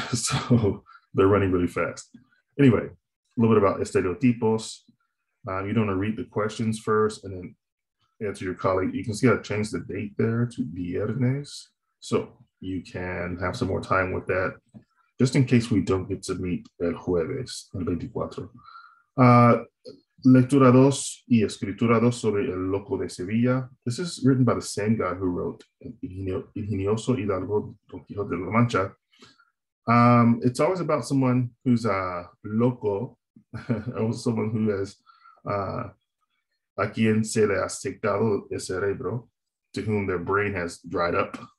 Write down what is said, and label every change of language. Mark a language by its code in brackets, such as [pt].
[en] So they're running really fast. Anyway, a little bit about estereotipos. You don't want to read the questions first and then answer your colleague. You can see I changed the date there to viernes. So you can have some more time with that, just in case we don't get to meet el jueves, el 24. [es] Lectura dos y escritura dos sobre el loco de Sevilla. [en] This is written by the same guy who wrote Ingenioso Hidalgo Don Quijote de la Mancha. It's always about someone who's loco, or someone who has, [es] a quien se le ha secado el cerebro, [en] to whom their brain has dried up.